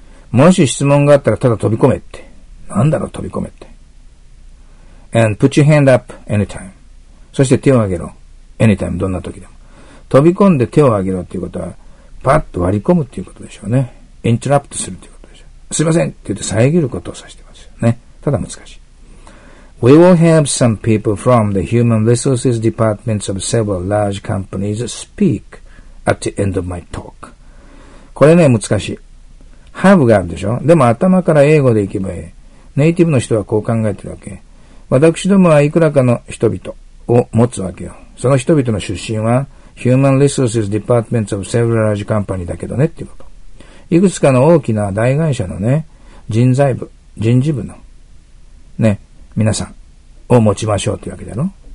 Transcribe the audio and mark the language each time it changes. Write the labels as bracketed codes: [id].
[ja] もし質問があったらただ飛び込めって。なんだろう飛び込めって。 [en] and put your hand up anytime. [ja] そして手を挙げろ。 [en] Anytime, [ja] どんな時でも。飛び込んで手を挙げろっていうことは、パッと割り込むっていうことでしょうね。インタラプトするっていうことでしょう。すいませんって言って遮ることを指してますよね。ただ難しい。 [en] We will have some people from the human resources departments of several large companies speak at the end of my talk. [ja] これね、難しい。Have があるでしょ。でも頭から英語でいけばいい。ネイティブの人はこう考えてるわけ。私どもはいくらかの人々を持つわけよ。その人々の出身は [en] Human Resources Departments of Several Large Company [ja] だけどねっていうこと。いくつかの大きな大会社のね、人材部、人事部のね、皆さんを持ちましょうっていうわけだろ。